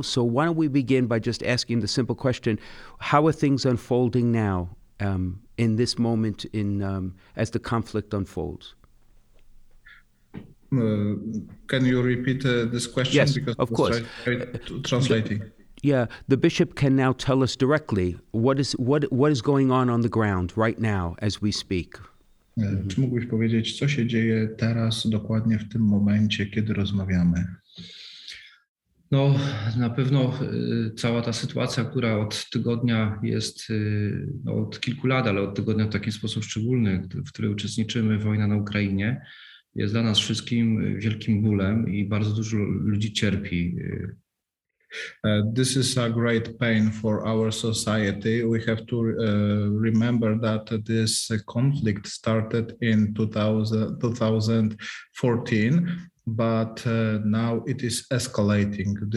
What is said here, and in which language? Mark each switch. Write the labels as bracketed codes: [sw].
[en] So why don't we begin by just asking the simple question, how are things unfolding now in this moment as the conflict unfolds? Can you repeat this question? Yes, because of course. Translating. The bishop can now tell us directly what is going on the ground right now as we speak. [pl] Czy mógłbyś powiedzieć, co się dzieje teraz, dokładnie w tym momencie, kiedy rozmawiamy? No, na pewno cała ta sytuacja, która od tygodnia jest, no, od kilku lat, ale od tygodnia w taki sposób szczególny, w której uczestniczymy, wojna na Ukrainie, jest dla nas wszystkim wielkim bólem i bardzo dużo ludzi cierpi. [en] This is a great pain for our society. We have to remember that this conflict started in 2014, but now it is escalating.